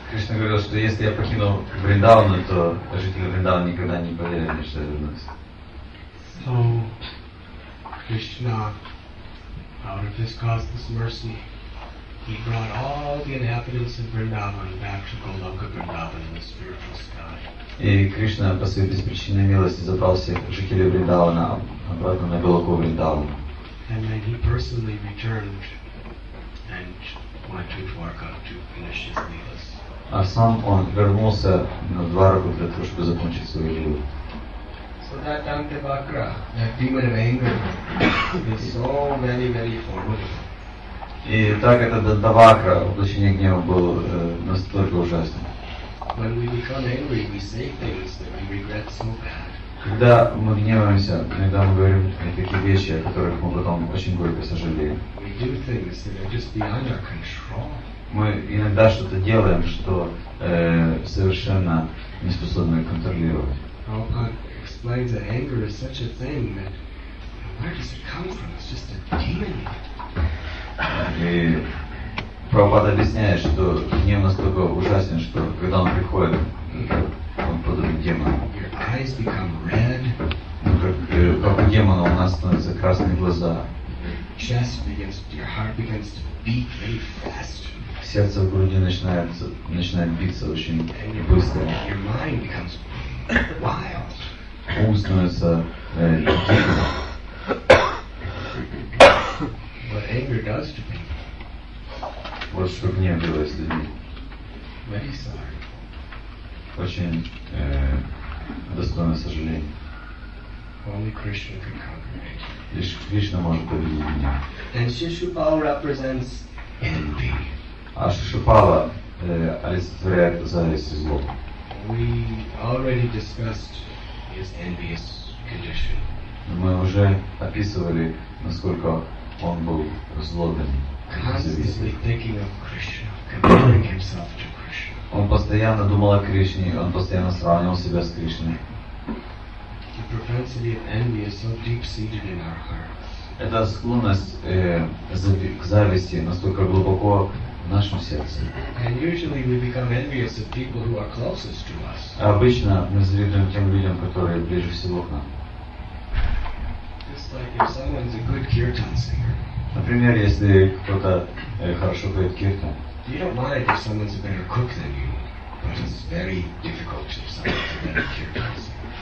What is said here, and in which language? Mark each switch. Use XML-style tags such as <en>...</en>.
<ru>говорил, что если я покину Вриндавану, то жители Вриндавана никогда не поверят мне, что я вернусь.</ru> <en>So, Krishna, out of his causeless mercy, he brought all the inhabitants of Vrindavan back to Goloka Vrindavan in the spiritual sky.</en> <ru>И Кришна по своей беспричинной милости забрал всех жителей Вриндавана обратно на Голоку Вриндавана.</ru> <en>And then he personally returned and went to Dwarka to finish his leelas.</en> <ru>А сам он вернулся на Дварку для того, чтобы закончить свою лилу.</ru> <en>So that Dantavakra, that demon of anger, is so many, many formidable.</en> <ru>И так это Дантавакра, воплощение гнева, был настолько ужасным.</ru> <en>When we become angry, we say things that we regret so bad.</en> <ru>Когда мы гневаемся, иногда мы говорим такие вещи, о которых мы потом очень горько сожалеем.</ru> <en>We do things that are just beyond our control.</en> <ru>Мы иногда что-то делаем, что совершенно не способны контролировать.</ru> <en>Prabhupada explains that anger is such a thing that where does it come from? It's just a demon.</en> <ru>И Прабхупада объясняет, что гнев настолько ужасен, что когда он приходит, он подобен демону.</ru> <en>Your eyes become red.</en> <ru>Как у демона у нас становятся красные глаза.</ru> <en>Your heart begins to beat very fast.</en> <ru>Сердце в груди начинает биться очень быстро.</ru> <en>Your mind becomes wild.</en> <ru>Ум становится диким.</ru> <en>What anger does to people.</en> <ru>Вот что гнев делает с людьми.</ru> <en>Very sorry.</en> <ru>Очень достойно сожаления.</ru> <en>Only Krishna can conquer it.</en> <ru>Лишь Кришна может победить меня.</ru> <en>And Shishupala represents envy.</en> <ru>А Шишупала олицетворяет зависть и зло.</ru> <en>We already discussed his envious condition.</en> <ru>Мы уже описывали, насколько он был злобен.</ru> <en>Constantly thinking of Krishna, comparing himself to Krishna.</en> <ru>Он постоянно думал о Кришне, он постоянно сравнивал себя с Кришной.</ru> <en>The propensity of envy is so deep-seated in our hearts.</en> <ru>Эта склонность к зависти настолько глубоко в нашем сердце.</ru> <en>And usually we become envious of people who are closest to us.</en> <ru>Обычно мы завидуем тем людям, которые ближе всего к нам.</ru> <en>Just like if someone's a good kirtan singer.</en> <ru>Например, если кто-то хорошо поет киртан.</ru> <en>You don't mind if someone's a better cook than you, but it's very difficult if someone's a better kirtan singer.</en>